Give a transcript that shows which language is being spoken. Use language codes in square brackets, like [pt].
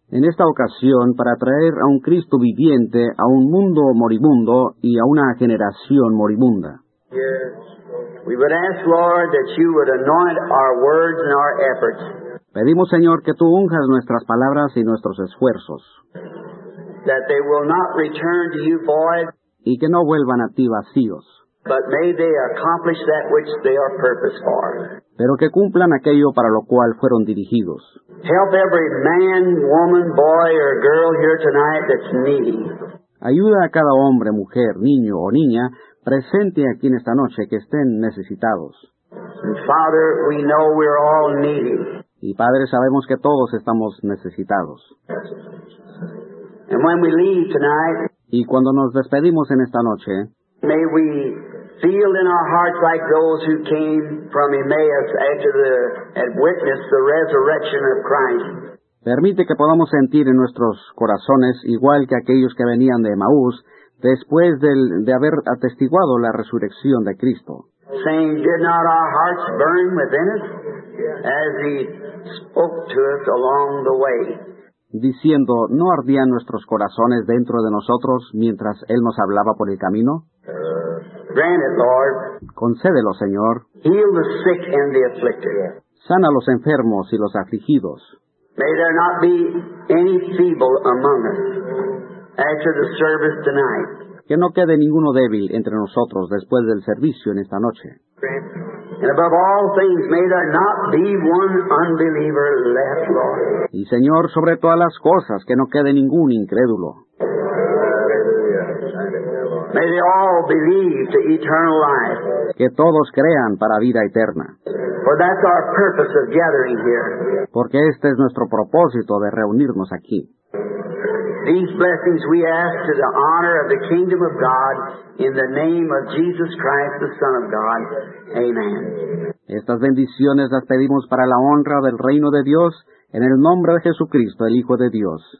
[es] En esta ocasión, para traer a un Cristo viviente a un mundo moribundo y a una generación moribunda. [en] We would ask, Lord, that you would anoint our words and our efforts. [es] Pedimos, Señor, que tú unjas nuestras palabras y nuestros esfuerzos. [en] That they will not return to you void. [es] Y que no vuelvan a ti vacíos. [en] But may they accomplish that which they are purposed for. [es] Pero que cumplan aquello para lo cual fueron dirigidos. [en] Help every man, woman, boy, or girl here tonight that's needy. [es] Ayuda a cada hombre, mujer, niño o niña presente aquí en esta noche que estén necesitados. [en] And Father, we know we're all needy. [es] Y Padre, sabemos que todos estamos necesitados. [en] And when we leave tonight, [es] y cuando nos despedimos en esta noche, [en] may we feel in our hearts like those who came from Emmaus and witnessed the resurrection of Christ. [es] Permite que podamos sentir en nuestros corazones, igual que aquellos que venían de Emmaús, después de haber atestiguado la resurrección de Cristo. [en] Saying, did not our hearts burn within us as he spoke to us along the way? [es] Diciendo, ¿no ardían nuestros corazones dentro de nosotros mientras Él nos hablaba por el camino? [en] Grant it, Lord. [es] Concédelo, Señor. [en] Heal the sick and the afflicted. [es] Sana a los enfermos y los afligidos. [en] May there not be any feeble among us after the service tonight. [es] Que no quede ninguno débil entre nosotros después del servicio en esta noche. [en] And above all things, may there not be one unbeliever left, Lord. [es] Y Señor, sobre todas las cosas, que no quede ningún incrédulo. [en] May they all believe to eternal life. [es] Que todos crean para vida eterna. [en] For that's our purpose of gathering here. [es] Porque este es nuestro propósito de reunirnos aquí. [en] These blessings we ask to the honor of the kingdom of God in the name of Jesus Christ, the Son of God. Amen. [es] Estas bendiciones las pedimos para la honra del reino de Dios en el nombre de Jesucristo, el Hijo de Dios.